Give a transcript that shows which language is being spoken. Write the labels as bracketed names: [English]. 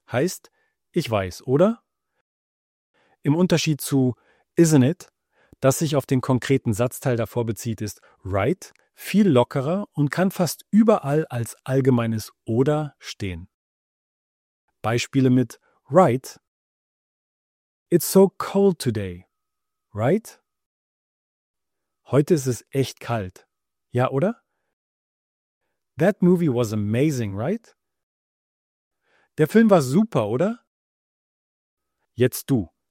[German] Heißt, ich weiß, oder? Im Unterschied zu isn't it, das sich auf den konkreten Satzteil davor bezieht, ist right viel lockerer und kann fast überall als allgemeines oder stehen. Beispiele mit [English] right. It's so cold today, right? [German] Heute ist es echt kalt, ja, oder? [English] That movie was amazing, right? [German] Der Film war super, oder? Jetzt du.